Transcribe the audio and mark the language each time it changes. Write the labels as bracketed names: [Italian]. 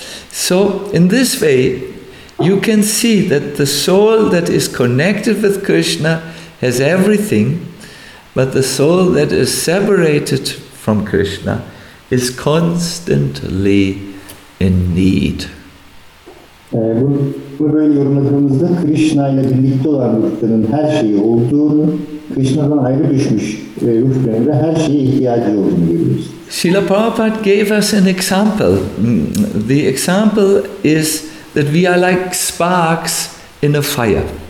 [English] So, in this way, you can see that the soul that is connected with Krishna has everything, but the soul that is separated from Krishna is constantly in need. [Turkish] Bu böyle yorumladığımızda Krishna ile birlikte olan ruhların her şeyi olduğunu, Krishna'dan ayrı düşmüş ruhların da her şeye ihtiyacı olduğunu görüyoruz. [English] Srila Prabhupada gave us an example. The example is that we are like sparks in a fire.